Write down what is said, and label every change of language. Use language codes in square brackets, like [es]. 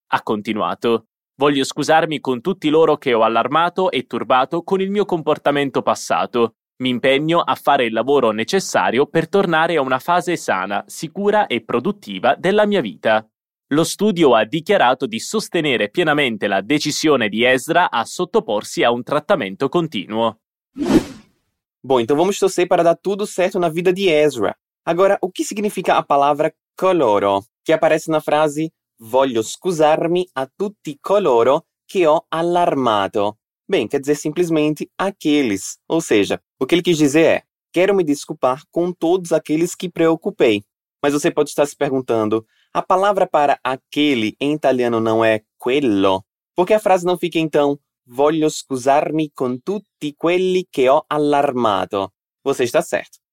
[it] Ha continuato: «Voglio scusarmi con tutti loro che ho allarmato e turbato con il mio comportamento passato. Mi impegno a fare il lavoro necessario per tornare a una fase sana, sicura e produttiva della mia vita». Lo studio ha dichiarato di sostenere pienamente la decisione di Ezra a sottoporsi a un trattamento continuo. [pt] Bom, então vamos torcer para dar tudo certo na vida di Ezra. Agora, o que significa a palavra coloro, che aparece na frase [it] Voglio scusarmi a tutti coloro che ho allarmato? [pt] Bem, quer dizer simplesmente aqueles, ou seja, o que ele quis dizer é Quero me desculpar com todos aqueles que preocupei. Mas você pode estar se perguntando, a palavra para aquele em italiano não é quello? Por que a frase não fica então [it] Voglio scusarmi con tutti quelli che ho allarmato? [pt] Você está certo.